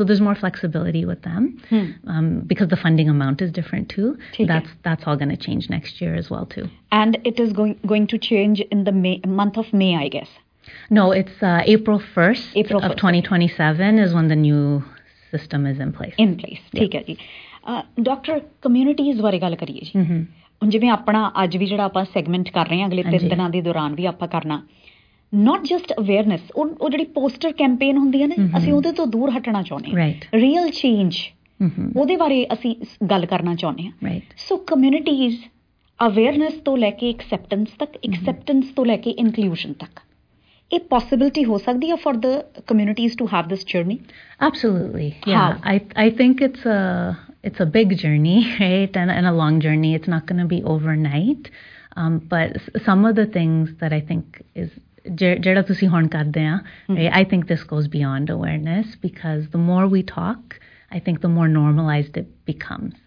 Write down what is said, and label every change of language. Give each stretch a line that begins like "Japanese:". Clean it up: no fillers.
English: So there's more flexibility with them because the funding amount is different too. That's all going to change next year as well too. And it is going to change in the month of May, I guess. No, it's April 1st of 2027 is when the new system is in place. In place.
Punjabi: Theek hai ji. Doctor communities ਬਾਰੇ ਗੱਲ ਕਰੀਏ ਜੀ, ਹੁਣ ਜਿਵੇਂ ਆਪਣਾ ਅੱਜ ਵੀ ਜਿਹੜਾ ਆਪਾਂ ਸੈਗਮੈਂਟ ਕਰ ਰਹੇ ਹਾਂ, ਅਗਲੇ 3 ਦਿਨਾਂ ਦੇ ਦੌਰਾਨ ਵੀ ਆਪਾਂ ਕਰਨਾ,
English: not just awareness,
Punjabi: ਉਹ ਜਿਹੜੀ ਪੋਸਟਰ ਕੈਂਪੇਨ ਹੁੰਦੀਆਂ ਨੇ, ਅਸੀਂ ਉਹਦੇ ਤੋਂ ਦੂਰ ਹਟਣਾ ਚਾਹੁੰਦੇ ਹਾਂ, ਰੀਅਲ ਚੇਂਜ ਉਹਦੇ ਬਾਰੇ ਅਸੀਂ ਗੱਲ ਕਰਨਾ ਚਾਹੁੰਦੇ ਹਾਂ. ਸੋ ਕਮਿਊਨਿਟੀਜ਼ ਅਵੇਅਰਨੈਸ ਤੋਂ ਲੈ ਕੇ ਐਕਸੈਪਟੈਂਸ ਤੱਕ, ਐਕਸੈਪਟੈਂਸ ਤੋਂ ਲੈ ਕੇ ਇਨਕਲੂਜਨ ਤੱਕ, ਇਹ ਪੋਸੀਬਿਲਿਟੀ ਹੋ ਸਕਦੀ ਹੈ
English: For the communities to have this journey? Absolutely, I think it's a It's a big journey, right? And a long journey. It's not going to be overnight. But some of the things that I think is
Punjabi: jehda tusi hun karde aa,
English: right? I think this goes beyond awareness, because the more we talk, I think the more normalized it becomes.